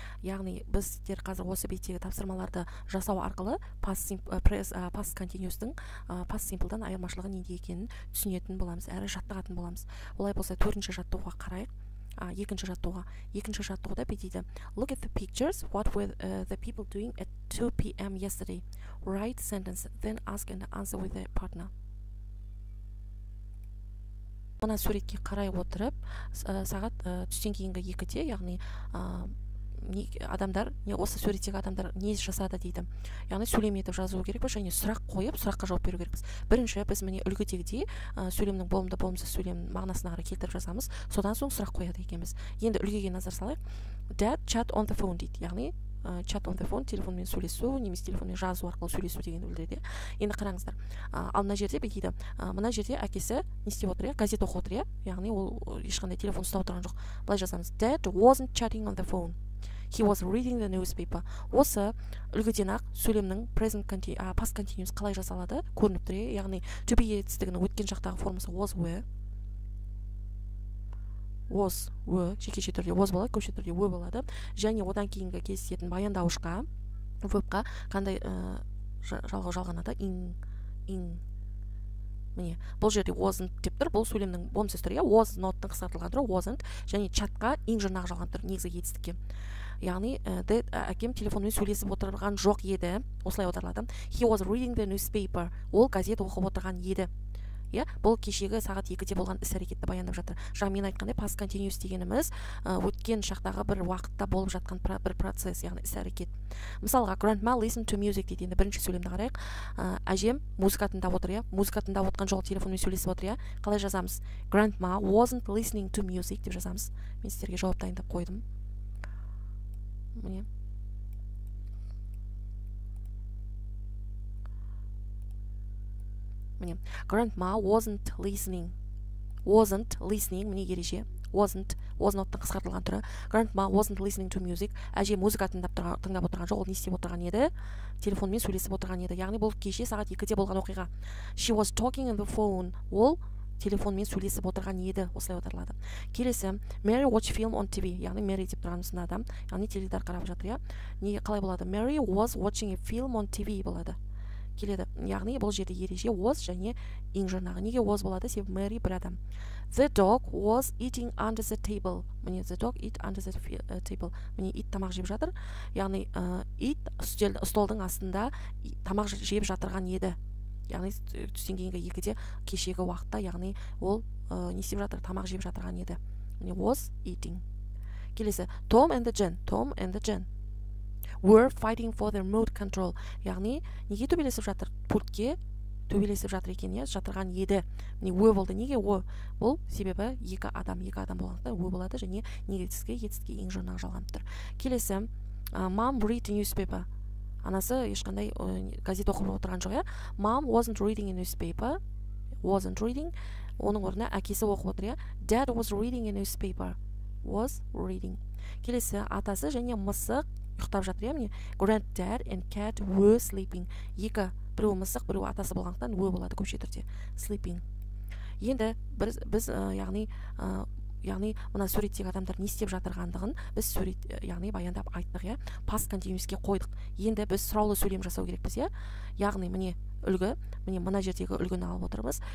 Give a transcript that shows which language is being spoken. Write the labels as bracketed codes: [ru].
[kk] Яғни біздер қазір осы беттегі тапсырмаларды жасау арқылы past continuous-тың past simple-дан айырмашылығы неде екенін түсінетін боламыз, әрі жаттығатын боламыз. Олай болса 4-ші жаттығуға қарайық. Екінші жаттығуға. Екінші жаттығуда бетейді. [en] Look at the pictures. What were the people doing at 2 p.m. yesterday? Write sentence. Then ask and answer with the partner. [kk] Мына суретке қарай отырып, сағат түстен кейінгі 2-де, яғни адамдар, осы суреттегі адамдар не жасады дейді. Яғни сөйлем етіп жазу керек пе, және сұрақ қойып, сұраққа жауап беру керекпіз. Бірінші, біз міне үлгідегідей сөйлемнің болымды болымсыз сөйлем мағынасына қарай келтіріп жазамыз, содан соң сұрақ қояды екенбіз. Енді үлгіге назар салайық. [en] Dad chat on the phone [kk] дейді, яғни [en] chat on the phone, [kk] телефонмен сөйлесу, немесе телефонмен жазу арқылы сөйлесу деген білдіреді. Енді қараңыздар. Ал мына жерде бетейді. Мына жерде әкесі не істеп отыр, газет оқып отыр, яғни ол ешқандай телефон ұстап отырған жоқ. Былай жазамыз. [en] Dad wasn't chatting on the phone. He was reading the newspaper. [kk] Осы үлгіден ақ сөйлемнің present continuous, past continuous қалай жасалады көрініп тұр, яғни to be етістігінің өткен жақтағы формасы was, were. Was, were, жекеше түрде was болады, көпше түрде were болады. Және одан кейінгі кездесетін баяндаушқа, verb-қа қандай жалғау жалғанады? [en] In. [kk] Міне, бұл жерде wasn't деп тұр, бұл сөйлемнің болымсыз тұр, was not-тың қысқартылған тұр, wasn't. Және chat-қа in жұрнағы жалған тұр, негізгі етістікке. Яғни, әкем телефонмен сөйлесіп отырған жоқ еді, осылай отырлады. [en] He was reading the newspaper. [kk] Ол газет оқып отырған еді. Бұл кешегі сағат 2-де болған іс-әрекетті баяндап жатыр. Жаңа мен айтқандай, past continuous дегеніміз өткен шақтағы бір уақытта болып жатқан бір процесс, яғни іс-әрекет. Мысалға, [en] grandma listened to music [kk] дейді. Енді бірінші сөйлемді қарайық. Әжем музыка тыңдап отыр, музыка тыңдап отқан жоқ, телефонмен сөйлесіп отыр. Қалай жазамыз? [en] Grandma wasn't listening to music [kk] деп жазамыз. Мен сіздерге жауап дайындап қойдым. Міне. Міне. [en] Grandma wasn't listening. Wasn't listening. [kk] Міне ереже. [en] Wasn't. [kk] Was not-тың қысқартылған түрі. [en] Grandma wasn't listening to music. [kk] Әже музыка тыңдап отырған жоқ. Ол не істеп отырған еді? Телефонмен сөйлесіп отырған еді. Яғни бұл кеше сағат 2-де болған оқиға. [en] She was talking on the phone. [kk] Ол телефонмен сөйлесіп отырған еді, осылай отырылады. Келесі, [en] Mary watch film on TV, [kk] яғни Mary деп тұрғанысында адам, яғни теледидар қарап жатыр, не қалай болады? [en] Mary was watching a film on TV [kk] болады. Келеді, яғни бұл жерде ереже was және in жұрнағы. Неге was болады? Себебі Mary бір адам. [en] The dog was eating under the table. Міне, the dog eat under the table. [kk] Міне, it тамақ жеп жатыр. Яғни, it столдың астында тамақ жеп жатырған еді. Яғни түстен кейінгі 2-де кешегі уақытта, яғни ол не істеп жатыр, тамақ жеп жатырған еді. [en] Міне, was eating. Келесі, Tom and Jen. Tom and Jen were fighting for the remote control. [kk] Яғни неге төбелесіп жатыр? Пультке төбелесіп жатыр екен, жатырған еді. Міне, were болды. Неге were? Бұл себебі екі адам болғанда were болады, және негізгі етістікке ең жұрнақ жалғанып тұр. [en] Келесі, Mom read the newspaper. [kk] Анасы ешқандай газет оқып отырған жоқ, [en] Mom wasn't reading a newspaper. Wasn't reading. [kk] Оның орнына әкесі оқып отыр, [en] Dad was reading a newspaper. Was reading. [kk] Келесі, атасы және мысық ұйықтап жатыр, міне. [en] Granddad and cat were sleeping. [kk] Екі, біреуі мысық, біреуі атасы болғандықтан were болады көпше түрде. Sleeping. Енді біз яғни яғни мына суреттегі адамдар не істеп жатырғандығын біз сурет яғни баяндап айттық, иә, past continuous-ке қойдық. Енді біз сұраулы сөйлем жасау керекпіз, иә. Яғни міне үлгі, міне мына жердегі үлгіні алып отырмыз.